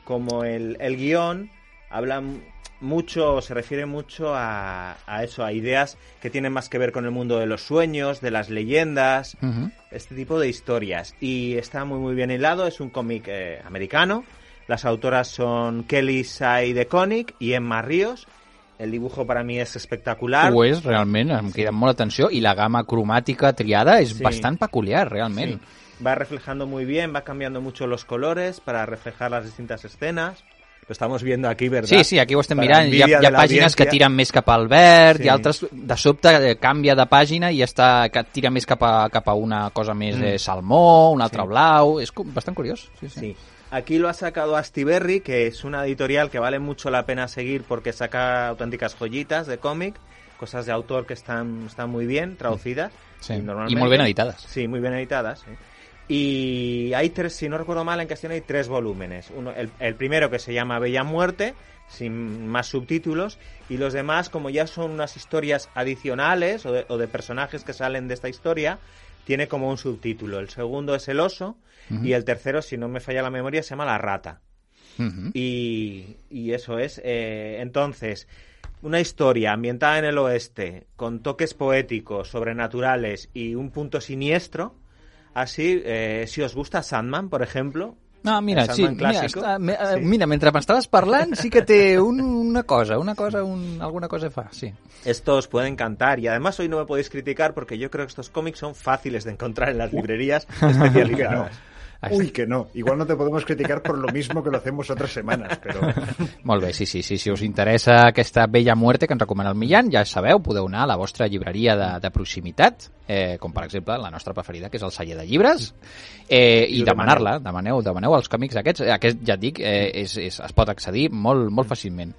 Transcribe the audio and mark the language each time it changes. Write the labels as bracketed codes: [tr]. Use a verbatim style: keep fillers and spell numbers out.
[es] como el, el guión hablan mucho, se refiere mucho a, a eso, a ideas que tienen más que ver con el mundo de los sueños, de las leyendas, uh-huh. este tipo de historias. Y está muy muy bien hilado, es un cómic eh, americano. Las autoras son Kelly Say DeConnick y Emma Ríos. El dibujo para mí es espectacular. [ca] Ho és, realment, em crida molt l'atenció, i la gamma cromàtica triada és sí. bastant peculiar, realment. Sí. [es] Va reflejando muy bien, va cambiando mucho los colores para reflejar las distintas escenas. Lo estamos viendo aquí, ¿verdad? [ca] Sí, sí, aquí ho estem mirant. Hi ha, hi ha pàgines que tiren més cap al verd, sí. i altres, de sobte, canvia de pàgina i està, que tira més cap a, cap a una cosa més mm. eh, salmó, un altre sí. blau... És bastant curiós. Sí, sí. sí. [es] Aquí lo ha sacado Astiberri, que es una editorial que vale mucho la pena seguir porque saca auténticas joyitas de cómic, cosas de autor que están, están muy bien traducidas. Sí. Y, y muy bien editadas. Sí, muy bien editadas. ¿eh? Y hay tres, si no recuerdo mal, en cuestión hay tres volúmenes. Uno, el, el primero que se llama Bella Muerte, sin más subtítulos, y los demás, como ya son unas historias adicionales o de, o de personajes que salen de esta historia, tiene como un subtítulo. El segundo es El Oso, uh-huh. y el tercero, si no me falla la memoria, se llama La Rata. Uh-huh. Y, y eso es. Eh, entonces, una historia ambientada en el oeste, con toques poéticos, sobrenaturales y un punto siniestro. Así, eh, si os gusta Sandman, por ejemplo... [ca] No, mira, sí, mira, està, me, sí. mira, mentre m'estaves parlant sí que té un, una cosa, una cosa, un, alguna cosa fa, sí. [es] Esto os puede encantar, y además hoy no me podéis criticar porque yo creo que estos cómics son fáciles de encontrar en las librerías especializadas. Uy, que no. Igual no te podemos criticar por lo mismo que lo hacemos otras semanas, pero... [ca] Molt bé, sí, sí, sí. Si us interessa aquesta Bella Muerte que ens recomana el Millán, ja sabeu, podeu anar a la vostra llibreria de, de proximitat, eh, com per exemple la nostra preferida, que és el Celler de Llibres, eh, i demanar-la, demaneu, demaneu els còmics aquests. Aquest, ja et dic, eh, és, és, es pot accedir molt, molt fàcilment.